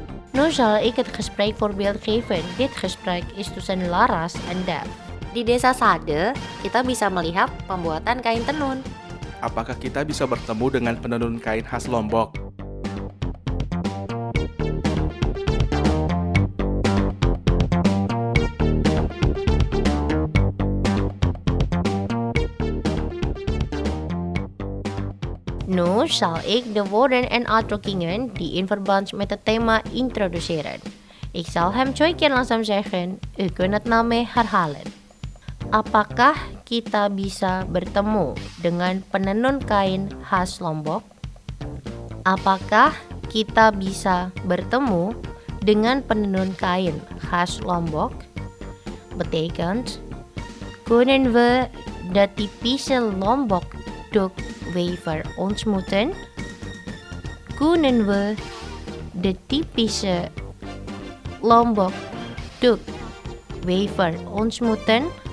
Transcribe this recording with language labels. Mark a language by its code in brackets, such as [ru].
[nl] Nu zal ik het gesprek voorbeeld geven. Dit gesprek is tussen Laras en Dev. [id] Di desa Sade, kita bisa melihat pembuatan kain tenun. Apakah kita bisa bertemu dengan penenun kain khas Lombok? [nl] Nu zal ik de woorden en uitdrukkingen die in verband met het thema introduceren. Ik zal hem twee keer langzaam zeggen, u kunt het naam herhalen. [id] Apakah kita bisa bertemu dengan penenun kain khas Lombok? Apakah kita bisa bertemu dengan penenun kain khas Lombok? [nl] Betekent, kunnen we de typische Lombok doek Wever ontmoeten? Kunnen we de typische Lombok doek wever ontmoeten?